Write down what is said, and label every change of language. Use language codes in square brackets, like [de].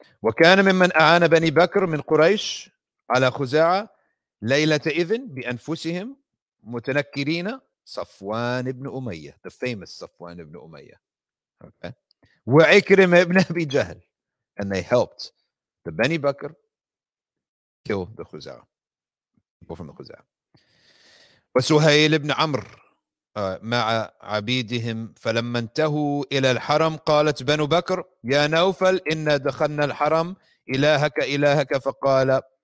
[ar] وكان ممن أعان بني بكر من قريش على خزاعة ليلة إذن بأنفسهم متنكرين صفوان بن أمية. [en] The famous صفوان بن أمية. Okay. [ar] وعكرم بن أبي جهل. [en] And they helped the Bani Bakr kill the خزاعة. People from the خزاعة. [ar] وسهيل بن عمر مع عبيدهم فلما انتهوا إلى الحرم قالت بنو بكر يا نوفل إنا دخلنا الحرم إلهك إلهك فقال